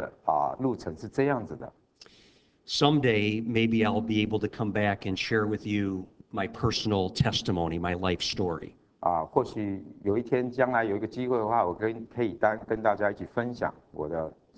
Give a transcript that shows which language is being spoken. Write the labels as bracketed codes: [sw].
[zh] 我一点都不会想到说我今天的路程是这样子的。 [en] Someday, maybe I'll be able to come back and share with you my personal testimony, my life story. [zh] 或许有一天将来有一个机会的话，我可以跟大家一起分享我的。